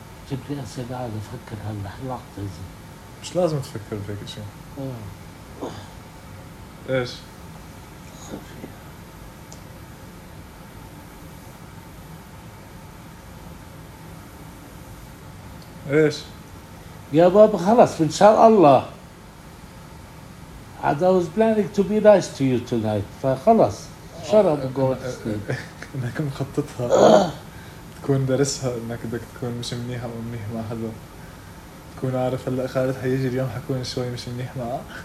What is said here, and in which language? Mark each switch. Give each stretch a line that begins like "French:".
Arabic: جبلي أسئلة عادة أفكر هلا حلقت زي مش لازم تفكر بهيك شيء إيش؟ إيش؟ يا بابا خلاص إن شاء الله
English: And I was planning to be nice to you tonight.
Arabic: فخلص.
English: Shut up and go to sleep.
Arabic: إنك مخططها. تكون درسها إنك بدك تكون مش منيحة أو منيح مع حدا. تكون عارف هلا خالد حيجي اليوم حكون شوي مش منيح معه.